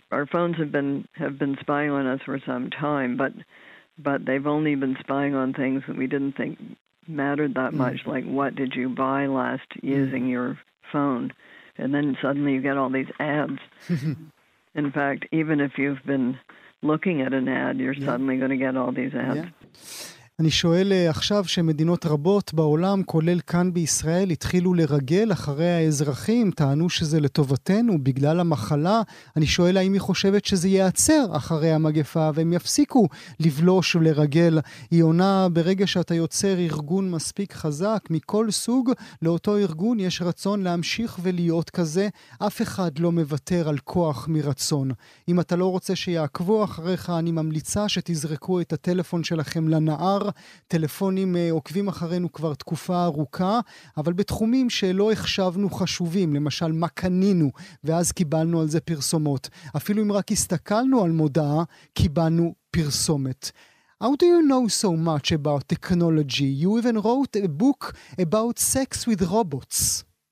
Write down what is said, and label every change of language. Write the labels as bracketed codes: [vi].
[en] Our phones have been spying on us for some time, but they've only been spying on things that we didn't think mattered that much, like what did you buy last using your phone? And then suddenly you get all these ads. In fact, even if you've been looking at an ad, you're suddenly going to get all these ads. [he] אני שואל עכשיו שמדינות רבות בעולם, כולל כאן בישראל, התחילו לרגל אחרי האזרחים, טענו שזה לטובתנו בגלל המחלה. אני שואל האם היא חושבת שזה ייעצר אחרי המגפה והם יפסיקו לבלוש ולרגל. היא עונה, ברגע שאתה יוצר ארגון מספיק חזק מכל סוג, לאותו ארגון יש רצון להמשיך ולהיות כזה. אף אחד לא מוותר על כוח מרצון. אם אתה לא רוצה שיעקבו אחריך, אני ממליצה שתזרקו את הטלפון שלכם לנער. טלפונים עוקבים אחרינו כבר תקופה ארוכה, אבל בתחומים שלא החשבנו חשובים, למשל מה קנינו, ואז קיבלנו על זה פרסומות. אפילו אם רק הסתכלנו על מודעה, קיבלנו פרסומת. [en] How do you know so much about technology? You even wrote a book about sex with robots.